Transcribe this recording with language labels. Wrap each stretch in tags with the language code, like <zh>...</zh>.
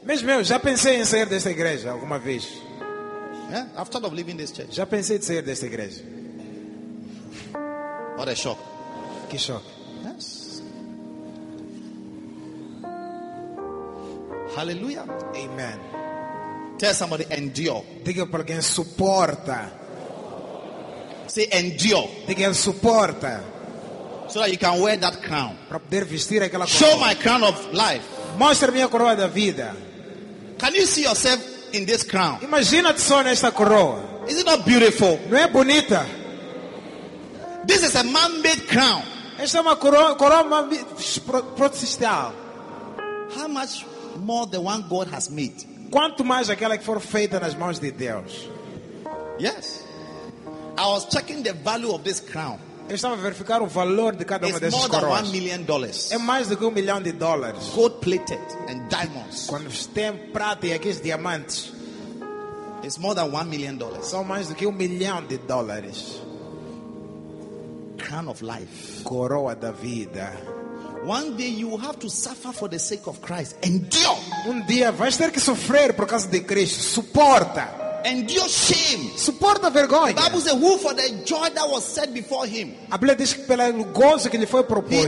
<pt>Mesmo eu já pensei em sair desta igreja alguma vez.</pt> <en>Yeah, I've thought of leaving this church.</en> <pt>Já pensei em sair desta igreja.</pt> <en>What a shock.</en> <pt>Que choque.</pt> <en>Yes. Hallelujah. Amen. Tell somebody endure.</en> <pt>Diga para alguém suporta.</pt> <en>Say endure.</en> <pt>Diga suporta.</pt> <en>So that you can wear that crown.</en> <pt>Para poder vestir aquela coroa.</pt> <en>Show my crown of life.</en> <pt>Mostre minha coroa da vida.</pt> <en>Can you see yourself in this crown?</en> <pt>Imagina-te só nesta coroa.</pt> <en>Is it not beautiful?</en> <pt>Não é bonita?</pt> <en>This is a man-made crown.</en> <pt>Esta é uma coroa protestal.</pt> <en>How much more the one God has made.</en> <pt>Quanto mais aquela que for feita nas mãos de Deus.</pt> <en>Yes. I was checking the value of this crown.</en> <pt>Eu estava a verificar o valor de cada uma dessas coroas.</pt> <en>It's more than $1 million.</en> <pt>É mais do que $1 million.</pt> <en>Gold plated and diamonds.</en> <pt>Quando tem prata e aqueles diamantes.</pt> <en>It's more than $1 million.</en> <pt>São mais do que $1 million.</pt> <en>Crown of life.</en> <pt>Coroa da vida.</pt> <en>One day you have to suffer for the sake of Christ. Endure.</en> <pt>Um dia vais ter que sofrer por causa de Cristo. Suporta.</pt> <en>Endure shame.</en> <pt>Suporta vergonha.</pt> <en>The Bible says, "Who for the joy that was set before him."</en> <pt>A Bíblia diz que pelo gozo que lhe foi proposto.</pt>